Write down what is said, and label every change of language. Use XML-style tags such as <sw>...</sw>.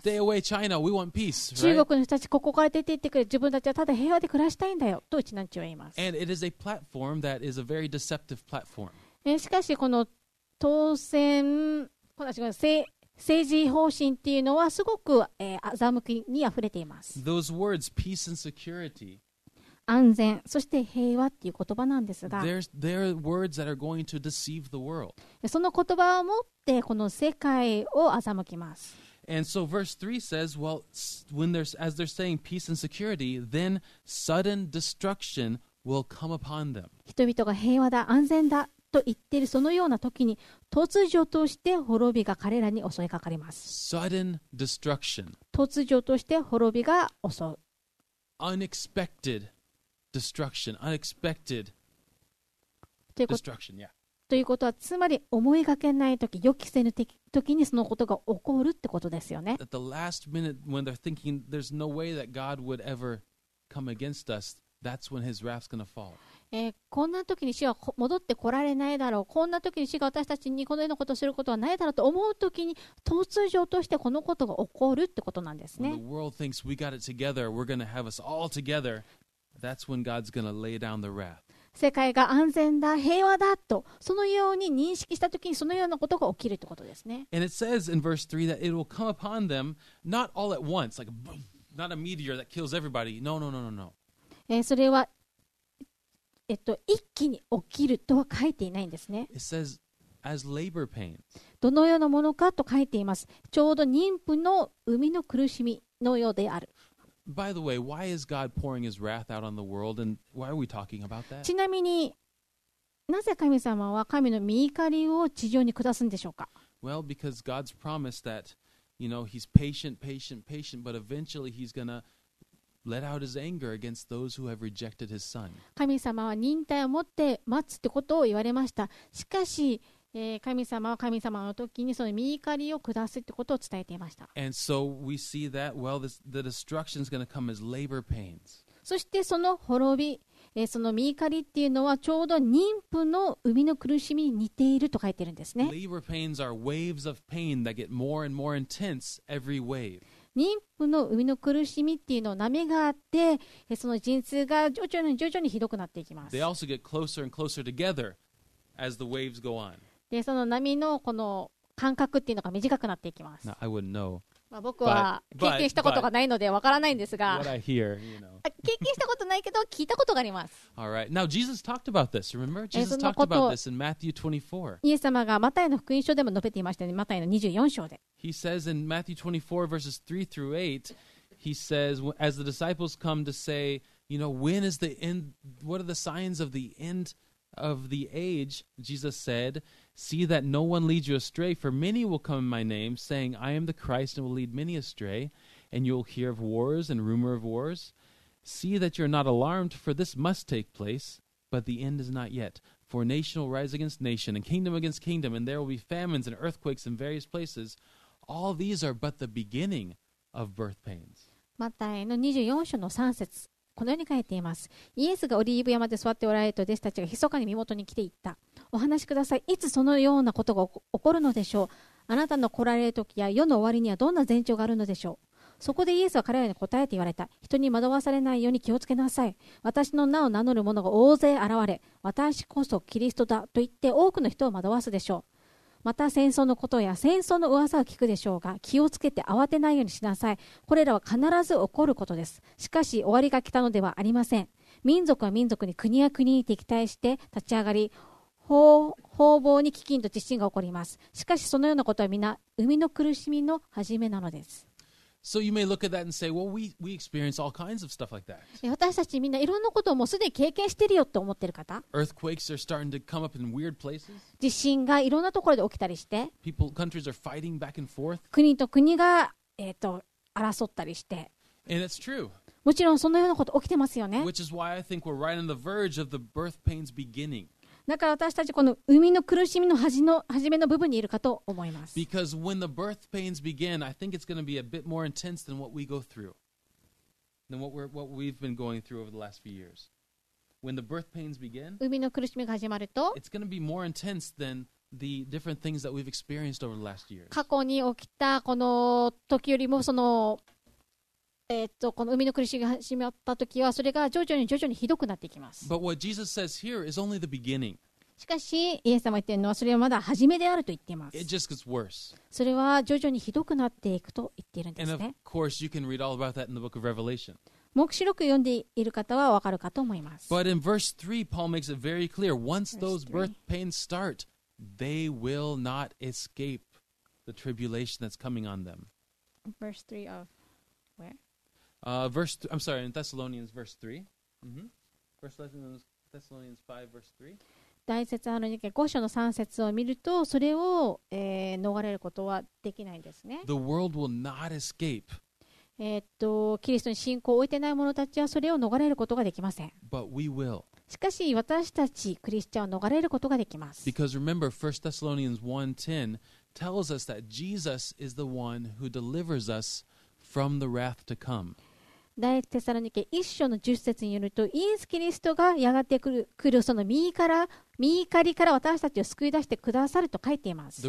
<en>Stay away, China, we want peace.</en> <ja>中国の人たち、ここから出て行ってくれ。自分たちはただ平和で暮らしたいんだよとうちなんちは言います。</ja> <en>And it is a platform that is a very deceptive platform.</en> <ja>しかしこの当選、この違う政治方針っていうのはすごく、欺きにあふれています。</ja> <en>Those words, peace and security,</en> <ja>安全、そして平和っていう言葉なんですが、</ja> <en>they're words that are going to deceive the world.</en> <ja>その言葉を持ってこの世界を欺きます。</ja> <en>And so verse 3 says, well, when there's, as they're saying peace and security, then sudden destruction will come upon them.</en> <ja>人々が平和だ、安全だ。と言っているそのような時に突如として滅びが彼らに襲いかかります。</ja> <en>Sudden destruction.</en> <ja>突如として滅びが襲う。</ja> <en>Unexpected destruction. Unexpected destruction. Yeah.</en> <ja>ということはつまり思いがけない時、予期せぬ時にそのことが起こるってことですよね。</ja> <en>At the last minute when they're thinking there's no way that God would ever come against us, that's when His wrath's gonna fall.</en> <ja>こんな時に主は戻ってこられないだろう、こんな時に主が私たちにこのようなことをすることはないだろうと思う時に突如としてこのことが起こるってことなんですね。</ja> <en>When the world thinks we got it together, we're going to have us all together, that's when God's going to lay down the wrath.</en> <ja>世界が安全だ、平和だとそのように認識した時にそのようなことが起きるってことですね。</ja> <en>And it says in verse 3 that it will come upon them not all at once, like a boom, not a meteor that kills everybody. No, no, no, no, no.</en> <ja>それは一気に起きるとは書いていないんですね。</ja> <en>It says, as labor pains.</en> <ja>どのようなものかと書いています。ちょうど妊婦の産みの苦しみのようである。</ja> <en>By the way, why is God pouring His wrath out on the world, and why are we talking about that?</en> <ja>ちなみになぜ神様は神の御怒りを地上に下すんでしょうか。</ja> <en>Well, because God's promised that, you know, He's patient, patient, patient, but eventually He's gonna. Let out his anger against those who have rejected his son.</en> <ja>神様は忍耐を持って待つってことを言われました。しかし、神様は神様の時にその御怒りを下すってことを伝えていました。</ja> <en>And so we see that, well, the destruction is going to come as labor pains.</en> <ja>そしてその滅び、その御怒りっていうのはちょうど妊婦の産みの苦しみに似ていると書いてるんですね。</ja> <en>Labor pains are waves of pain that get more and more intense every wave.</en> <ja>妊婦の産みの苦しみっていうのを波があって、その陣痛が徐々に徐々にひどくなっていきます。</ja> <en>They also get closer and closer together as the waves go on.</en> <ja>で、その波のこの間隔っていうのが短くなっていきます。</ja> <en>Now, I wouldn't know.</en> <ja>まあ僕は経験したことがないのでわからないんですが、</ja> <en>what I hear, you know.</en> <ja>経験したことないけど聞いたことがあります。</ja> <en>All right. Now, Jesus talked about this. Remember? Jesus talked about this in Matthew 24.</en> <ja>イエス様がマタイの福音書でも述べていましたね。マタイの24章で。</ja> <en>He says in Matthew 24 verses 3 through 8, he says, as the disciples come to say, you know, when is the end, what are the signs of the end of the age? Jesus said, see that no one leads you astray, for many will come in my name, saying, I am the Christ and will lead many astray, and you will hear of wars and rumor of wars. See that you're not alarmed, for this must take place, but the end is not yet. For nation will rise against nation and kingdom against kingdom, and there will be famines and earthquakes in various places. All these are but the beginning of birth pains.</en> <ja>マタイの24章の3節、このように書いています。イエスがオリーブ山で座っておられると弟子たちが密かに身元に来ていった。お話しください、いつそのようなことが起こるのでしょう。あなたの来られる時や世の終わりにはどんな前兆があるのでしょう。そこでイエスは彼らに答えて言われた。人に惑わされないように気をつけなさい。私の名を名乗る者が大勢現れ、私こそキリストだと言って多くの人を惑わすでしょう。また戦争のことや戦争の噂を聞くでしょうが、気をつけて慌てないようにしなさい。これらは必ず起こることです。しかし終わりが来たのではありません。民族は民族に、国は国に敵対して立ち上がり、方々に飢饉と地震が起こります。しかしそのようなことは皆生みの苦しみの始めなのです。</ja> <en>So you may look at that and say, well, we experience all kinds of stuff like that.</en> <ja>私たちみんないろんなことをもうすでに経験してるよって思ってる方。</ja> <en>Earthquakes are starting to come up in weird places.</en> <ja>地震がいろんなところで起きたりして。</ja> <en>People, countries are fighting back and forth.</en> <ja>国と国が争ったりして。</ja> <en>And it's true.</en> <ja>もちろんそのようなこと起きてますよね。</ja> <en>Which is why I think we're right on the verge of the birth pains beginning.</en> <ja>だから私たちこの生みの苦しみの始めの部分にいるかと思います。</ja> <en>Because when the birth pains begin, I think it's going to be a bit more intense than what we go through, than what we've been going through over the last few years. When the birth pains begin,</en> <ja>生みの苦しみが始まると、</ja> <en>it's going to be more intense than the different things that we've experienced over the last years.</en> <ja>過去に起きたこの時よりも、そのこの生みの苦しみが始まったときは、それが徐々にひどくなっていきます。</ja> <en>But what Jesus says here is only the beginning.</en> <ja>しかし、イエス様が言っているのは、それはまだ始めであると言っています。</ja> <en>It just gets worse.</en> <ja>それは徐々にひどくなっていくと言っているんですね。</ja> <en>And of course, you can read all about that in the book of Revelation.</en> <ja>黙示録読んでいる方はわかるかと思います。</ja> <en>But in verse 3, Paul makes it very clear. Once those birth pains start, they will not escape the tribulation that's coming on them. Verse 3 of where? In Thessalonians verse 3. Mm-hmm. Thessalonians 5 verse 3.</en> <ja>大説あるに5章の3節を見ると、それを、逃れることはできないんですね。</ja> <en>The world will not escape.</en> <ja>キリストに信仰を置いてない者たちはそれを逃れることができません。</ja> <en>But we will.</en> <ja>しかし私たちクリスチャンは逃れることができます。</ja> <en>Because remember, 1 Thessalonians 1:10 tells us that Jesus is the one who delivers us. From the wrath to come.</en> <ja>第1テサロニケ1章の10節によると、イエス・キリストがやがて来るその身怒りから私たちを救い出してくださると書いています。</ja>